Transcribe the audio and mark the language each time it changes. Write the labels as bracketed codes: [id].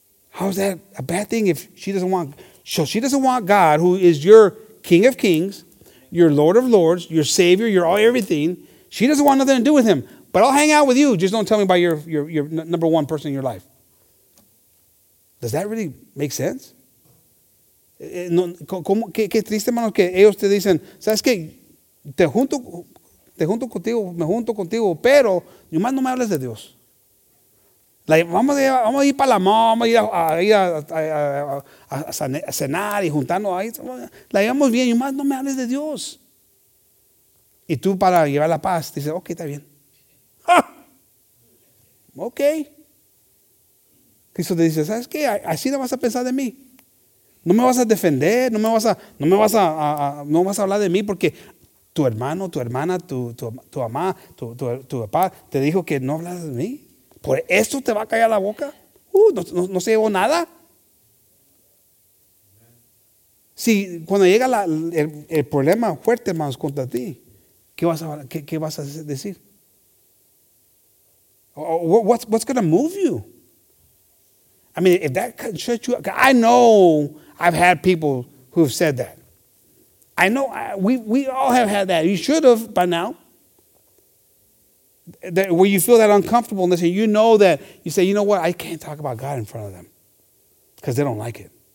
[en] How is that a bad thing if she doesn't want, so she doesn't want God, who is your King of Kings, your Lord of Lords, your Savior, your all everything. She doesn't want nothing to do with him. But I'll hang out with you. Just don't tell me about your number one person in your life. Does that really make sense? [es] ¿Qué triste, hermano, que ellos te dicen, ¿sabes qué? Te junto contigo, me junto contigo, pero yo más no me hables de Dios. Like, vamos a ir para la mamá, vamos a ir a cenar y juntarnos ahí. La llevamos bien, yo más no me hables de Dios. Y tú para llevar la paz, dices, ok, está bien. ¡Ja! Ok. Cristo te dice, ¿sabes qué? Así no vas a pensar de mí. No me vas a defender, no vas a hablar de mí porque tu hermano, tu hermana, tu mamá, tu papá te dijo que no hablas de mí. ¿Por esto te va a callar la boca? No se llevó nada. Si cuando llega el problema fuerte, hermanos, contra ti, ¿qué vas a decir? [en] What's going to move you? I mean, if that can shut you up, I know I've had people who have said that. I know we all have had that. You should have by now. That where you feel that uncomfortableness, and you know that you say, you know what, I can't talk about God in front of them because they don't like it.